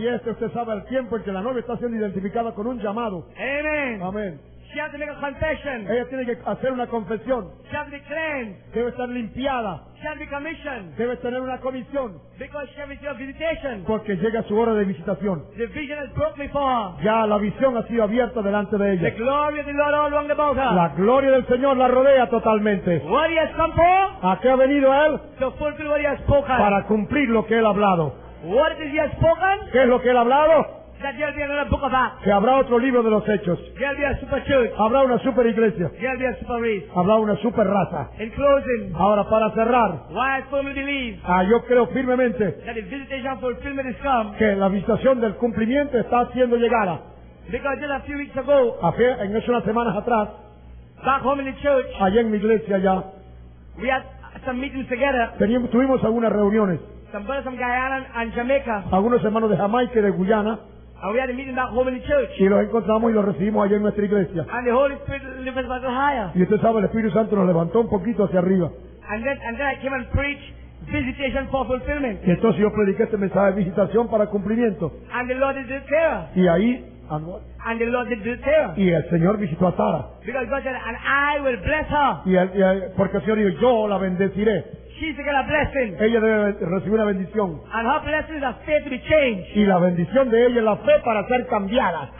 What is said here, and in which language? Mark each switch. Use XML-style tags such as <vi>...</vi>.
<es>Y este usted sabe el tiempo en que la novia está siendo identificada con un llamado.</es> <en>Amen.</en> <es>Amen.</es> <en>She has to make a confession.</en> <es>Ella tiene que hacer una confesión.</es> <en>She has to be cleansed.</en> <es>Debe estar limpiada.</es> <en>She has to be commissioned.</en> <es>Debe tener una comisión.</es> <en>Because she has your visitation.</en> <es>Porque llega su hora de visitación.</es> <en>The vision has broken before her.</en> <es>Ya la visión ha sido abierta delante de ella.</es> <en>The glory of the Lord all around about her.</en> <es>La gloria del Señor la rodea totalmente.</es> <en>What he has come for?</en> <es>¿A qué ha venido él?</es> <en>To fulfill what he has spoken.</en> <es>Para cumplir lo que él ha hablado.</es> <en>What did he have spoken?</en> <es>¿Qué es lo que él ha hablado?</es> <en>That there will be another book of Acts.</en> <es>Que habrá otro libro de los hechos.</es> <en>There will be a super church.</en> <es>Habrá una super iglesia.</es> <en>There will be a super race.</en> <es>Habrá una super raza.</es> <en>In closing.</en> <es>Ahora para cerrar.</es> <en>Why I firmly believe.</en> <es>Yo creo firmemente.</es> <en>That the visitation fulfillment is come.</en> <es>Que la visitación del cumplimiento está siendo llegada.</es> <en>Because just a few weeks ago.</en> <es>En unas semanas atrás.</es> <en>Back home in the church.</en> <es>Allá en mi iglesia ya.</es> <en>We had some meetings together.</en> <es>Tuvimos algunas reuniones.</es> <en>Some brothers from Guyana and Jamaica.</en> <es>Algunos hermanos de Jamaica y de Guyana.</es> <en>And we had a meeting back home in the church.</en> <es>Y los encontramos y los recibimos allá en nuestra iglesia.</es> <en>And the Holy Spirit lifted us a little higher.</en> <es>Y usted sabe, el Espíritu Santo nos levantó un poquito hacia arriba.</es> <en>And then I came and preached visitation for fulfillment.</en> <es>Y entonces yo prediqué este mensaje de visitación para cumplimiento.</es> <en>And the Lord did it there.</en> <es>Y ahí,</es> <en>and the Lord did it there.</en> <es>Y el Señor visitó a Sara.</es> <en>Because God said, and I will bless her.</en> <es>Porque el Señor dijo, yo la bendeciré.</es> <en>She's got a blessing.</en> <es>Ella debe recibir una bendición.</es> <en>And her blessing is a faith to be changed.</en> <es>Y la bendición de ella es la fe para ser cambiada.</es>